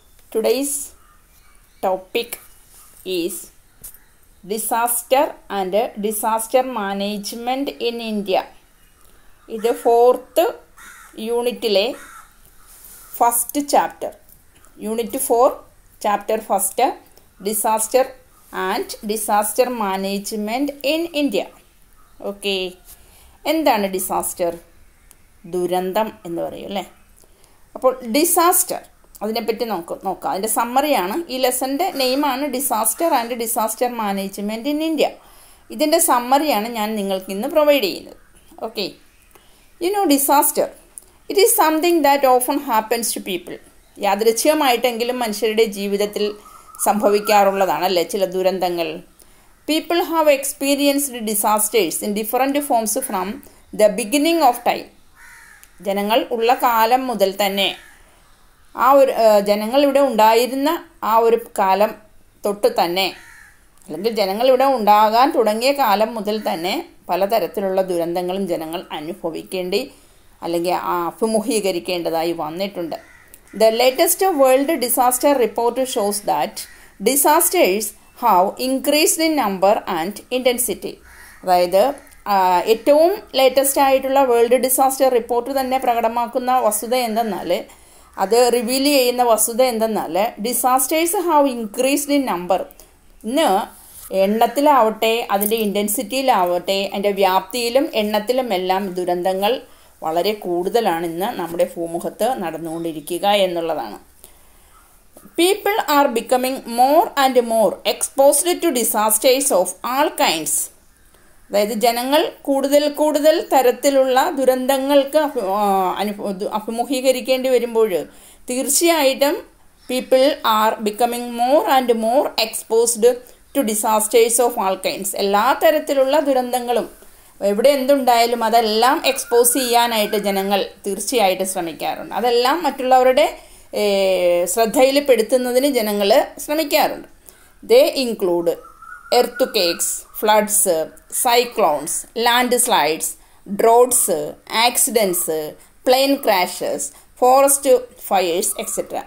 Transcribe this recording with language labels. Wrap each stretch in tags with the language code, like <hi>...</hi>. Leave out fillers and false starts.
<en>Today's topic is disaster and disaster management in India. It is fourth unit le first chapter. Unit 4, chapter first, disaster and disaster management in India.</en> <ml>Okay, എന്താണ് disaster? ദുരന്തം എന്ന് പറയും അല്ലേ. അപ്പോൾ disaster, അതിനെപ്പറ്റി നമുക്ക് നോക്കാം. അതിൻ്റെ സമ്മറിയാണ് ഈ ലെസൻ്റെ നെയിമാണ്</ml> <en>Disaster and disaster management in India.</en> <ml>ഇതിൻ്റെ സമ്മറിയാണ് ഞാൻ നിങ്ങൾക്ക് ഇന്ന് പ്രൊവൈഡ് ചെയ്യുന്നത്.</ml> <en>Okay, you know disaster, it is something that often happens to people.</en> <ml>യാദൃച്ഛികമായിട്ടെങ്കിലും മനുഷ്യരുടെ ജീവിതത്തിൽ സംഭവിക്കാറുള്ളതാണ് അല്ലേ ചില ദുരന്തങ്ങൾ.</ml> <en>People have experienced disasters in different forms from the beginning of time.</en> <ml>ജനങ്ങൾ ഉള്ള കാലം മുതൽ തന്നെ ആ ഒരു ജനങ്ങൾ ഇവിടെ ഉണ്ടായിരുന്ന ആ ഒരു കാലം തൊട്ട് തന്നെ അല്ലെങ്കിൽ ജനങ്ങൾ ഇവിടെ ഉണ്ടാകാൻ തുടങ്ങിയ കാലം മുതൽ തന്നെ പലതരത്തിലുള്ള ദുരന്തങ്ങളും ജനങ്ങൾ അനുഭവിക്കേണ്ടി അല്ലെങ്കിൽ അഭിമുഖീകരിക്കേണ്ടതായി വന്നിട്ടുണ്ട്.</ml> <en>The latest world disaster report shows that disasters have increased in number and intensity.</en> <ml>അതായത് ഏറ്റവും ലേറ്റസ്റ്റ് ആയിട്ടുള്ള വേൾഡ് ഡിസാസ്റ്റർ റിപ്പോർട്ട് തന്നെ പ്രകടമാക്കുന്ന വസ്തുത എന്തെന്നാൽ, അത് റിവീൽ ചെയ്യുന്ന വസ്തുത എന്തെന്നാൽ,</ml> <en>Disasters have increased in number.</en> <ml>ഇന്ന് എണ്ണത്തിലാവട്ടെ അതിൻ്റെ ഇൻറ്റൻസിറ്റിയിലാവട്ടെ അതിൻ്റെ വ്യാപ്തിയിലും എണ്ണത്തിലും എല്ലാം ദുരന്തങ്ങൾ വളരെ കൂടുതലാണ് ഇന്ന് നമ്മുടെ ഭൂമുഖത്ത് നടന്നുകൊണ്ടിരിക്കുക എന്നുള്ളതാണ്.</ml> <en>People are becoming more exposed to disasters of all kinds.</en> <ml>അതായത് ജനങ്ങൾ കൂടുതൽ കൂടുതൽ തരത്തിലുള്ള ദുരന്തങ്ങൾക്ക് അഭിമുഖീകരിക്കേണ്ടി വരുമ്പോൾ തീർച്ചയായിട്ടും</ml> <en>people are becoming more exposed to disasters of all kinds.</en> <ml>എല്ലാ തരത്തിലുള്ള ദുരന്തങ്ങളും എവിടെ എന്തുണ്ടായാലും അതെല്ലാം എക്സ്പോസ് ചെയ്യാനായിട്ട് ജനങ്ങൾ തീർച്ചയായിട്ടും ശ്രമിക്കാറുണ്ട്. അതെല്ലാം മറ്റുള്ളവരുടെ ശ്രദ്ധയിൽപ്പെടുത്തുന്നതിന് ജനങ്ങൾ ശ്രമിക്കാറുണ്ട്.</ml> <en>They include earthquakes, floods, cyclones, landslides, droughts, accidents, plane crashes, forest fires etcetera.</en>